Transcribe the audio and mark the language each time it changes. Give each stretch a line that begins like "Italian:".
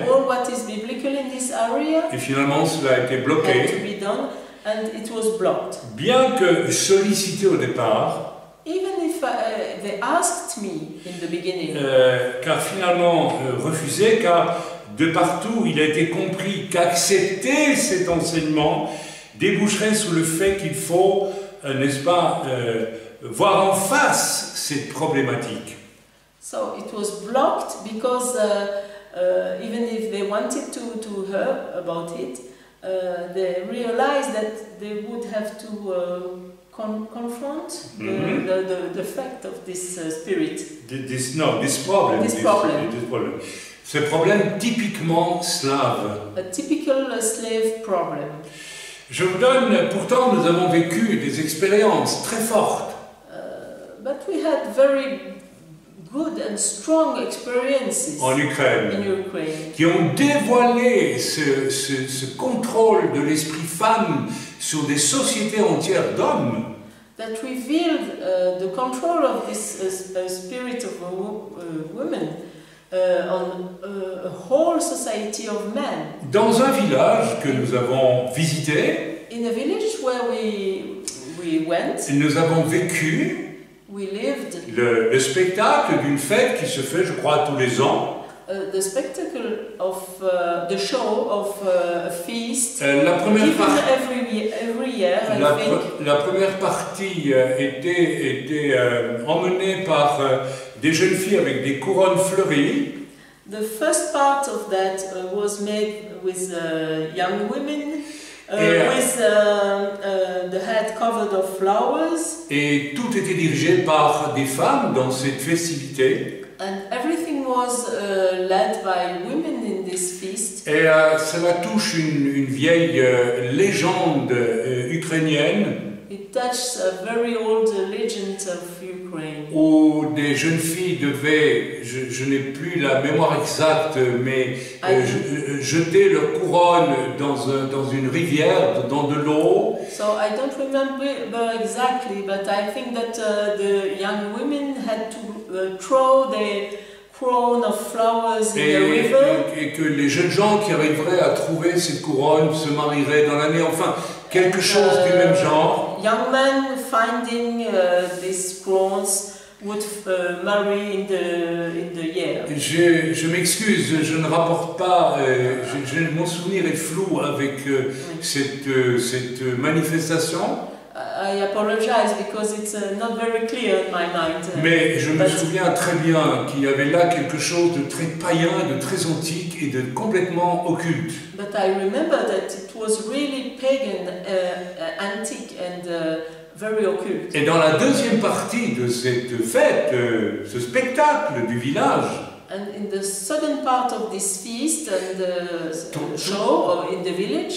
English: And all what is biblical in this area.
French: Et finalement, cela a été bloqué.
English: Had to be done, and it was blocked.
French: Bien que sollicité au départ.
English: Even if they asked me in the beginning.
French: Car finalement refusé, car de partout, il a été compris qu'accepter cet enseignement déboucherait sur le fait qu'il faut, n'est-ce pas, voir en face cette problématique.
English: So it was blocked because even if they wanted to hear about it, they realized that they would have to confront the fact of this spirit. This problem.
French: Ce problème typiquement slave.
English: A typical slave problem.
French: Je vous donne, pourtant nous avons vécu des expériences très fortes.
English: But we had very good and strong experiences
French: en Ukraine,
English: in Ukraine,
French: qui ont dévoilé ce contrôle de l'esprit femme sur des sociétés entières d'hommes.
English: That revealed the control of this spirit of a woman on a whole society of men.
French: Dans un village que nous avons visité,
English: in a village where we went,
French: nous avons vécu
English: we lived
French: le spectacle d'une fête qui se fait, je crois, tous les ans.
English: The spectacle of the show of a feast.
French: La première partie. La première partie était emmenée par des jeunes filles avec des couronnes fleuries.
English: The first part of that was made with young women with the head covered of flowers.
French: Et tout était dirigé par des femmes dans cette festivité.
English: And everything was led by women in this feast.
French: Et cela touche une vieille légende ukrainienne.
English: It touches a very old legend of Ukraine.
French: Où des jeunes filles devaient, je n'ai plus la mémoire exacte, mais jeter leur couronne dans une rivière, dans de l'eau.
English: So I don't remember exactly, but I think that the young women had to throw their crown of flowers in the river.
French: Et que les jeunes gens qui arriveraient à trouver cette couronne se marieraient dans l'année, enfin, quelque chose du même genre.
English: Young men finding these crowns would marry in the year.
French: Je m'excuse, je ne rapporte pas, mon souvenir est flou avec cette manifestation.
English: I apologize because it's not very clear in my mind.
French: Mais je me souviens très bien qu'il y avait là quelque chose de très païen, de très antique et de complètement occulte.
English: But I remember that it was really pagan, antique and very occult.
French: Et dans la deuxième partie de cette fête, ce spectacle du village.
English: And in the second part of this feast and the show in the village.